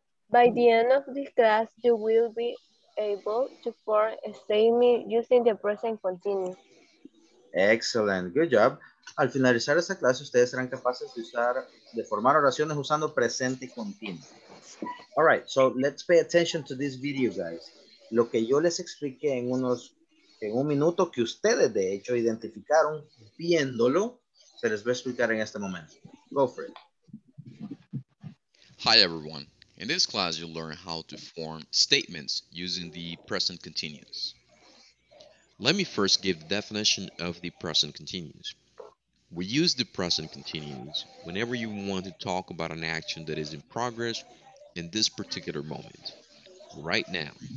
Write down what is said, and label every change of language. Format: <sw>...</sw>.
<en>By the end of this class, you will be able to form a statement using the present continuous. Excellent. Good job.</en> <es>Al finalizar esta clase, ustedes serán capaces de usar, de formar oraciones usando presente continuo.</es> <en>All right, so let's pay attention to this video, guys.</en> <es>Lo que yo les expliqué en un minuto que ustedes, de hecho, identificaron viéndolo, se les va a explicar en este momento.</es> <en>Go for it. Hi, everyone. In this class, you'll learn how to form statements using the present continuous. Let me first give the definition of the present continuous. We use the present continuous whenever you want to talk about an action that is in progress in this particular moment, right now.</en>